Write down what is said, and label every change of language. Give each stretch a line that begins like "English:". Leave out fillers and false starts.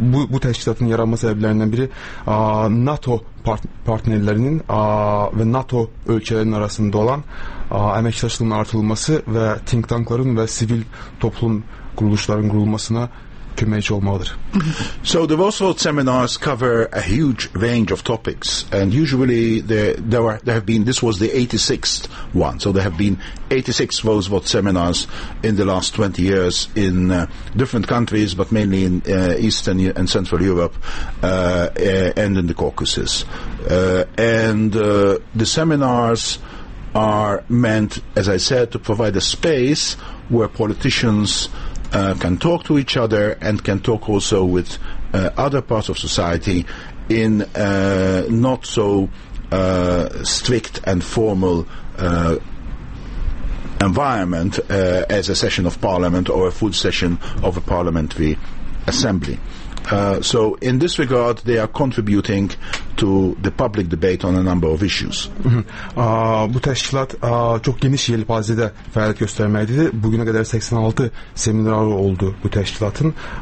Azerbaijani: Bu təşkilatın yaranma səbəblərindən biri NATO partnerlərinin və NATO ölkələrinin arasında olan əməkdaşlığın artırılması və think tankların və sivil toplum quruluşların qurulmasına köməkçi olmalıdır.
English: So the Warsaw seminars cover a huge range of topics, and usually this was the 86th one. So there have been 86 Warsaw seminars in the last 20 years in different countries, but mainly in Eastern and Central Europe and in the Caucasus. The seminars are meant, as I said, to provide a space where politicians can talk to each other and can talk also with other parts of society in not so strict and formal environment as a session of parliament or a full session of a parliamentary assembly. So in this regard, they are contributing to the public debate on a number of issues.
Azerbaijani: Bu təşkilat çox geniş yelpazədə fəaliyyət göstərməkdədir. Bu günə qədər 86 seminar oldu bu təşkilatın.